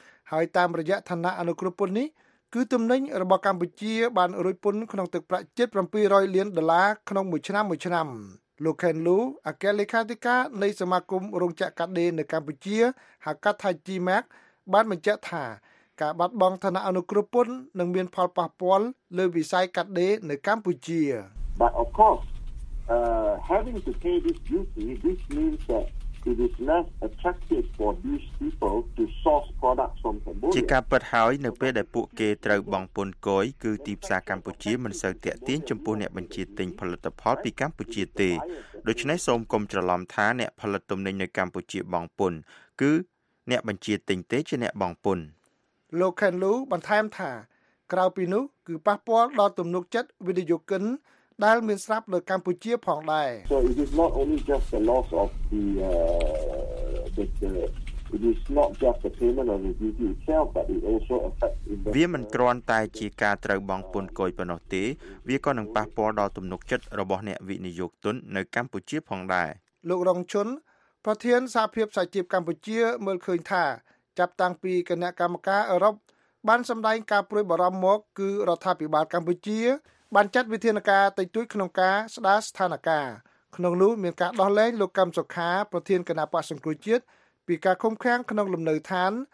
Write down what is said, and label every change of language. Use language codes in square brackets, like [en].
[km] ហើយតាមរយៈឋានៈអនុគ្រោះពន្ធនេះគឺទំនិញរបស់កម្ពុជាបានរួចពន្ធក្នុងទឹកប្រាក់ជិត700លានដុល្លារក្នុងមួយឆ្នាំមួយឆ្នាំលោកខេនលូអគ្គលេខាធិការនៃសមាគមរោងចក្រកាត់ដេរនៅកម្ពុជាហៅកាត់ថា G-Max បានបញ្ជាក់ថាការបាត់បង់ឋានៈអនុគ្រោះពន្ធនឹងមានផលប៉ះពាល់លើវិស័យកាត់ដេរនៅកម្ពុជា [en] But of course having to pay this duty this means that it is less attractive for these people to source products from Cambodia [km] ជាការពិតហើយនៅពេលដែលពួកគេត្រូវបង់ពន្ធគយគឺទីផ្សារកម្ពុជាមិនសូវទាក់ទាញចំពោះអ្នកបញ្ជាទិញផលិតផលពីកម្ពុជាទេដូច្នេះសូមកុំច្រឡំថាអ្នកផលិតទំនិញនៅកម្ពុជាបង់ពន្ធគឺអ្នកបញ្ជាទិញទេជាអ្នកបង់ពន្ធ លោកខេនលូបន្ថែមថាក្រៅពីនោះគឺប៉ះពាល់ដល់ទំនុកចិត្តវិនិយោគិនដែលមានស្រាប់នៅកម្ពុជាផងដែរ [en] So it is not only just the loss of the payment of the duty itself but it also affects [km] វាមិនគ្រាន់តែជាការត្រូវបង់ពន្ធគយប៉ុណ្ណោះទេវាក៏នឹងប៉ះពាល់ដល់ទំនុកចិត្តរបស់អ្នកវិនិយោគទុននៅកម្ពុជាផងដែរ លោករងជុនប្រធានសហភាពសហជីពកម្ពុជាមើលឃើញថាចាប់តាំងពីគណៈកម្មការអឺរ៉ុបបានសម្ដែងការព្រួយបារម្ភមកគឺរដ្ឋាភិបាលកម្ពុជាបានចាត់វិធានការតិចតួចក្នុងការស្ដារស្ថានភាពក្នុងនោះមានការដោះលែងលោកកឹមសុខាប្រធានគណៈបក្សសង្គ្រោះជាតិពីការឃុំឃាំងក្នុងលំនៅឋាន